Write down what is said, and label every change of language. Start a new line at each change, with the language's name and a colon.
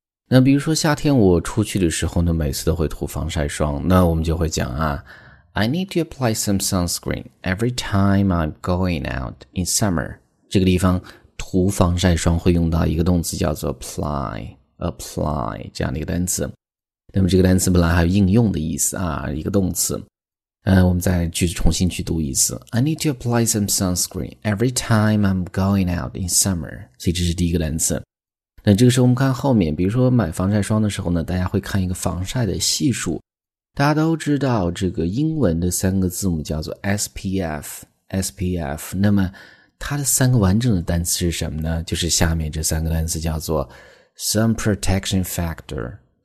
Chinese: 那比如说夏天我出去的时候呢，每次都会涂防晒霜，那我们就会讲啊
English: I need to apply some sunscreen every time I'm going out in summer。
Chinese: 这个地方涂防晒霜会用到一个动词叫做 apply 这样的一个单词。那么这个单词本来还有应用的意思啊，一个动词。我们再去重新去读一次。
English: I need to apply some sunscreen every time I'm going out in summer.
Chinese: 所以这是第一个单词。那这个时候我们看后面，比如说买防晒霜的时候呢，大家会看一个防晒的系数。大家都知道这个英文的三个字母叫做 SPF。那么它的三个完整的单词是什么呢？就是下面这三个单词叫做 Sun Protection Factor。